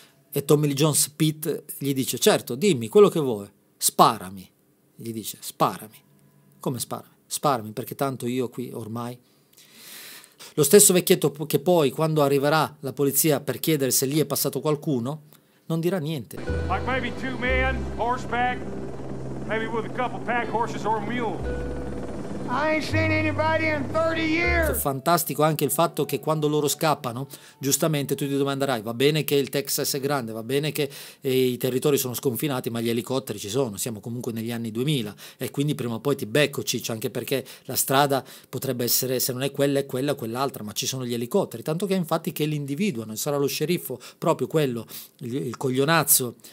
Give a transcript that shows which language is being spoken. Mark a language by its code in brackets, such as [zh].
[it] E Tommy Lee Jones, Pete, gli dice: certo, dimmi quello che vuoi, sparami. Gli dice: sparami. Come sparami? Sparami, perché tanto io qui ormai... Lo stesso vecchietto che poi, quando arriverà la polizia per chiedere se lì è passato qualcuno, non dirà niente. [en] Like maybe two men, horseback, maybe with a couple pack horses or a mule. I ain't seen anybody in 30 years. [it] Fantastico anche il fatto che quando loro scappano, giustamente tu ti domanderai: va bene che il Texas è grande, va bene che i territori sono sconfinati, ma gli elicotteri ci sono, siamo comunque negli anni 2000, e quindi prima o poi ti becco ciccio, anche perché la strada potrebbe essere, se non è quella è quella o quell'altra, ma ci sono gli elicotteri, tanto che infatti che li individuano, sarà lo sceriffo, proprio quello, il coglionazzo